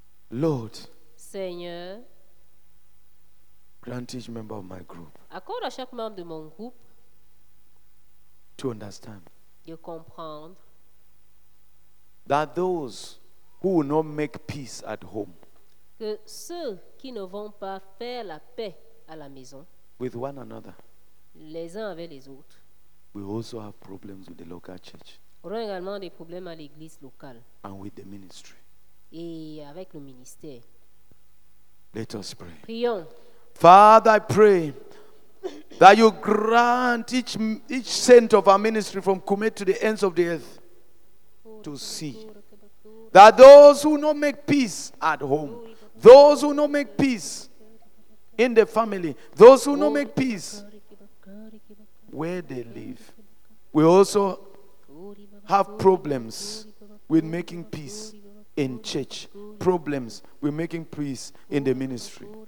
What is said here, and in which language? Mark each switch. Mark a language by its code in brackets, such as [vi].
[en] Lord, [fr] Seigneur, [en] grant each member of my group, [fr] accorde à chaque membre de mon groupe, [en] to understand, [fr] de comprendre, [en] that those who will not make peace at home, [fr] que ceux qui ne vont pas faire la paix à la maison, [en] with one another, [fr] les uns avec les autres, [en] we also have problems with the local church, [fr] auront également des problèmes à l'église locale, [en] and with the ministry. [fr] Et avec le ministère. [en] Let us pray. [fr] Prions. [en] Father, I pray that you grant each saint of our ministry from Kume to the ends of the earth to see that those who not make peace at home, those who not make peace in the family, those who not make peace where they live, we also have problems with making peace in church, problems with making peace in the ministry.